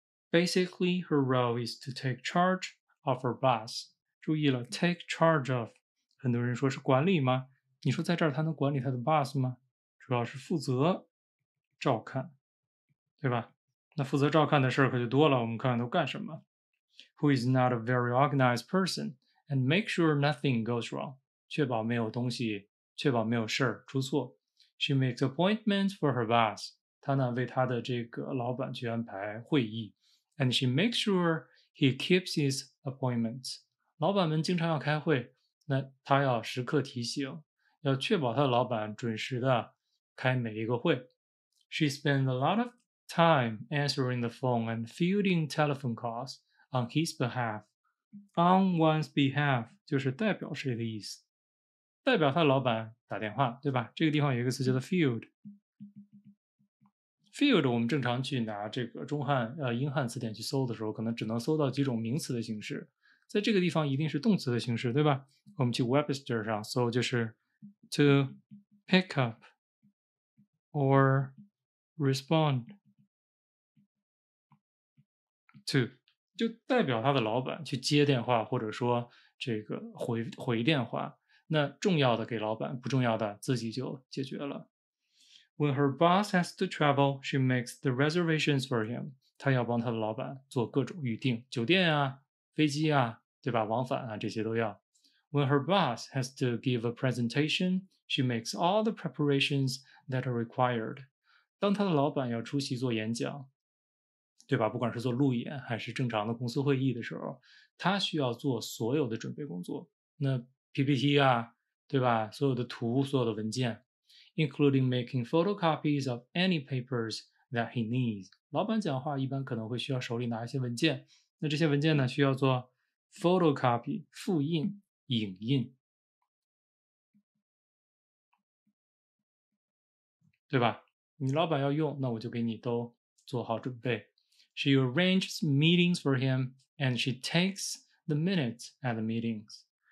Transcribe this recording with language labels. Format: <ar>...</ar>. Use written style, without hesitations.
<en>Basically, her role is to take charge of her boss.</en> <zh>注意了 ,take charge of, 很多人说是管理吗？你说在这儿他能管理他的 boss 吗？主要是负责照看。对吧？那负责照看的事儿可就多了，我们看看都干什么。</zh> <en>Who is not a very organized person, and make sure nothing goes wrong.</en> <zh>确保没有东西，确保没有事儿出错。</zh> <en>She makes appointments for her boss.</en> <zh>她呢为她的这个老板去安排会议。</zh> <en>And she makes sure he keeps his appointments.</en> <zh>老板们经常要开会，那她要时刻提醒，要确保她的老板准时的开每一个会。</zh> <en>She spends a lot of time answering the phone and fielding telephone calls on his behalf.</en> <zh>On one's behalf 就是代表谁的意思，代表他老板打电话，对吧？这个地方有一个词叫做 field。 field 我们正常去拿这个中汉英汉词典去搜的时候，可能只能搜到几种名词的形式，在这个地方一定是动词的形式，对吧？我们去 Webster 上搜就是</zh> <en>to pick up or respond to，</en> <zh>就代表他的老板去接电话，或者说这个 回电话，那重要的给老板，不重要的自己就解决了。</zh> <en>When her boss has to travel, she makes the reservations for him.</en> <zh>他要帮他的老板做各种预订，酒店啊，飞机啊，对吧，往返啊，这些都要。</zh> <en>When her boss has to give a presentation, she makes all the preparations that are required.</en> <zh>当他的老板要出席做演讲，对吧，不管是做路演还是正常的公司会议的时候，他需要做所有的准备工作，那 PPT 啊，对吧，所有的图，所有的文件，</zh> <en>including making photocopies of any papers that he needs。</en> <zh>老板讲话一般可能会需要手里拿一些文件，那这些文件呢需要做 photocopy 复印影印，对吧，你老板要用，那我就给你都做好准备。</zh> <en>She arranges meetings for him, and she takes the minutes at the meetings.</en>